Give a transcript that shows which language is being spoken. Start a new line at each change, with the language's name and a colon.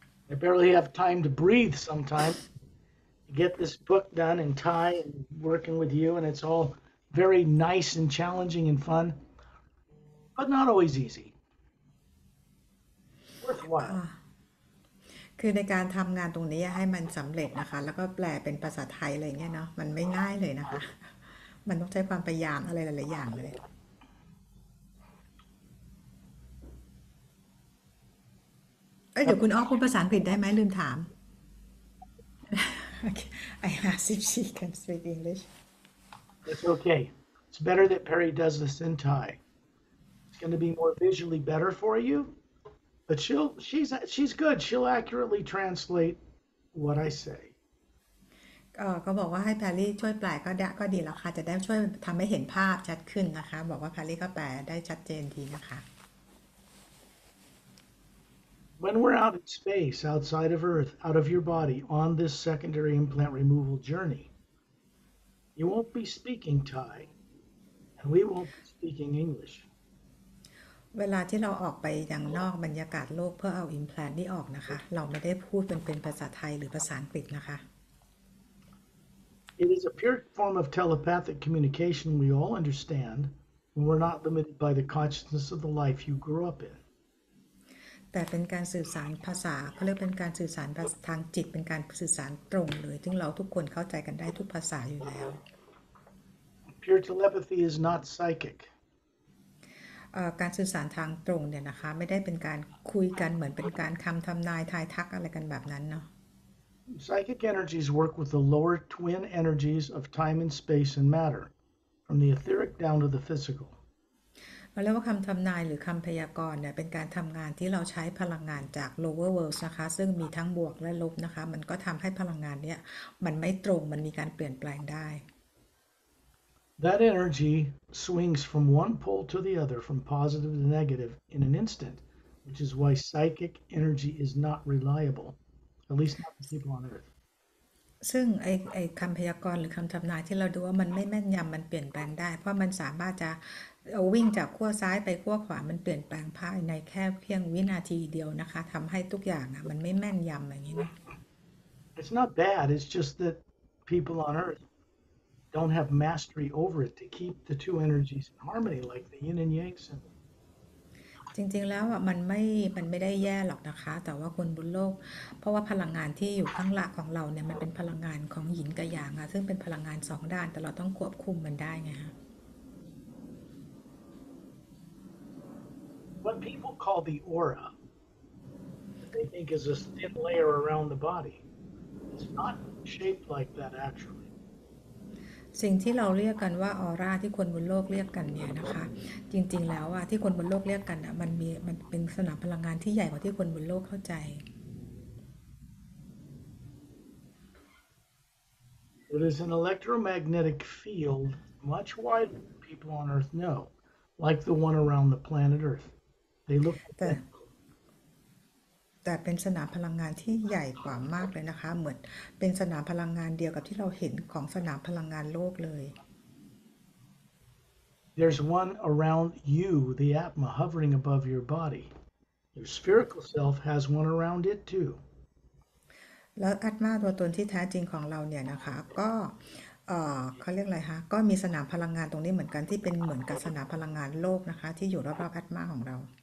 English: I barely have time to breathe sometimes. Get this book done in Thai and working with you, and it's all very nice and challenging and fun, but not always easy. Worthwhile.
Thai: คือในการทำงานตรงนี้ให้มันสำเร็จนะคะแล้วก็แปลเป็นภาษาไทยอะไรเงี้ยเนาะมันไม่ง่ายเลยนะคะมันต้องใช้ความพยายามอะไรหลายๆอย่างเลย เดี๋ยวคุณอ้อพูดภาษาอังกฤษได้ไหมลืมถาม
English: Okay. I asked if she can speak English. It's okay. It's better that Perry does this in Thai. It's going to be more visually better for you, but she's good. She'll accurately translate what I say.
Thai: ก็บอกว่าให้แพรลี่ช่วยแปลก็ดีแล้วค่ะจะได้ช่วยทำให้เห็นภาพชัดขึ้นนะคะบอกว่าแพรลี่ก็แปลได้ชัดเจนดีนะคะ
English: When we're out in space, outside of Earth, out of your body, on this secondary implant removal journey, you won't be speaking Thai, and we won't be speaking English.
Thai: เวลาที่เราออกไปอย่างนอกบรรยากาศโลกเพื่อเอาอิมแพลนท์นี่ออกนะคะเราไม่ได้พูดเป็นภาษาไทยหรือภาษาอังกฤษนะคะ
English: It is a pure form of telepathic communication we all understand, and we're not limited by the consciousness of the life you grew up in.
Thai: แต่เป็นการสื่อสารภาษาเขาเรียกเป็นการสื่อสารทางจิตเป็นการสื่อสารตรงเลยซึ่งเราทุกคนเข้าใจกันได้ทุกภาษาอยู่แล้ว
English: Pure telepathy is not psychic.
Thai: การสื่อสารทางตรงเนี่ยนะคะไม่ได้เป็นการคุยกันเหมือนเป็นการคำทำนายทายทักอะไรกันแบบนั้นเนาะ
English: Psychic energies work with the lower twin energies of time and space and matter, from the etheric down to the physical.
Thai: เราเรียกว่าคำทำนายหรือคำพยากรณ์เนี่ยเป็นการทำงานที่เราใช้พลังงานจาก
English: lower worlds
Thai: นะคะซึ่งมีทั้งบวกและลบนะคะมันก็ทำให้พลังงานเนี่ยมันไม่ตรงมันมีการเปลี่ยนแปลงได้
English: That energy swings from one pole to the other, from positive to negative, in an instant, which is why psychic energy is not reliable, at least not for people on Earth.
Thai: ซึ่งไอ้คำพยากรณ์หรือคำทำนายที่เราดูว่ามันไม่แม่นยำมันเปลี่ยนแปลงได้เพราะมันสามารถจะวิ่งจากขั้วซ้ายไปขั้วขวามันเปลี่ยนแปลงภายในแค่เพียงวินาทีเดียวนะคะทำให้ทุกอย่างอ่ะมันไม่แม่นยำอย่างนี้นะ
English: It's not bad. It's just that people on Earth. Don't have mastery over it to keep the two energies in harmony like the yin and yang symbol.
Thai: จริงๆแล้วอ่ะมันไม่ได้แย่หรอกนะคะแต่ว่าคนบนโลกเพราะว่าพลังงานที่อยู่ข้างหลังของเราเนี่ยมันเป็นพลังงานของหยินกับหยางอ่ะซึ่งเป็นพลังงานสองด้านแต่เราต้องควบคุมมันได้ไงฮะ
English: What people call the aura, they think is a thin layer around the body. It's not shaped like that actually.
Thai: สิ่งที่เราเรียกกันว่าออร่าที่คนบนโลกเรียกกันเนี่ยนะคะจริงๆแล้วอ่ะที่คนบนโลกเรียกกันอ่ะมันเป็นสนามพลังงานที่ใหญ่กว่าที่คนบนโลกเข้าใจ
English: It is an electromagnetic field much wider than people on Earth know like the one around the planet Earth they look
Thai: แต่เป็นสนามพลังงานที่ใหญ่กว่ามากเลยนะคะเหมือนเป็นสนามพลังงานเดียวกับที่เราเห็นของสนามพลังงานโลกเลย
English: There's one around you the Atma hovering above your body your spherical self has one around it too
Thai: แล้วอัตมาตัวตนที่แท้จริงของเราเนี่ยนะคะก็เขาเรียกอะไรคะก็มีสนามพลังงานตรงนี้เหมือนกันที่เป็นเหมือนกับสนามพลังงานโลกนะคะที่อยู่รอบๆอัตมาของเรา